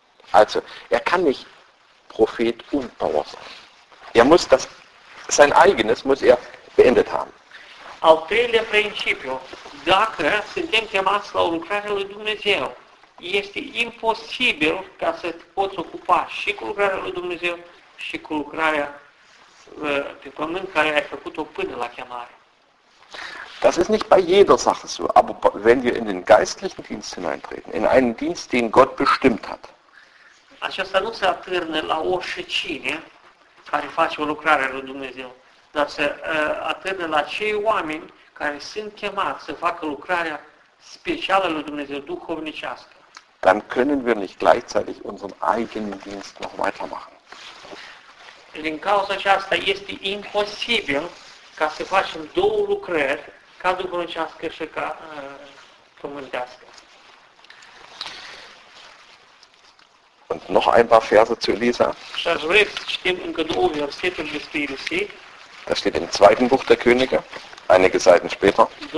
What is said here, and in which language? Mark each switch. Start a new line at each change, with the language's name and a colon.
German: Also, er kann nicht Prophet und Bauer sein. Er muss sein eigenes muss er beendet haben.
Romanian: Al treilea principiu. Dacă suntem chemați la lucrarea lui Dumnezeu, este imposibil ca să te poți ocupa și cu lucrarea lui Dumnezeu și cu lucrarea pe pământ care ai făcut-o până la chemare.
German: Das ist nicht bei jeder Sache so, aber wenn wir in den geistlichen Dienst hineintreten, in einen Dienst, den Gott bestimmt hat.
Romanian: Aceasta nu se atârnă la oricine care face o lucrare a lui Dumnezeu, dar se atârnă la cei oameni care sunt chemați să facă lucrarea specială lui Dumnezeu, duhovnicească.
German: Dann können wir nicht gleichzeitig unseren eigenen Dienst noch weitermachen.
Romanian: Din cauza aceasta este imposibil ca să facem două lucrări, ca duhovnicească și ca pământească.
German: Und noch ein paar Verse zu Elisa. Das steht im zweiten Buch der Könige, einige Seiten später.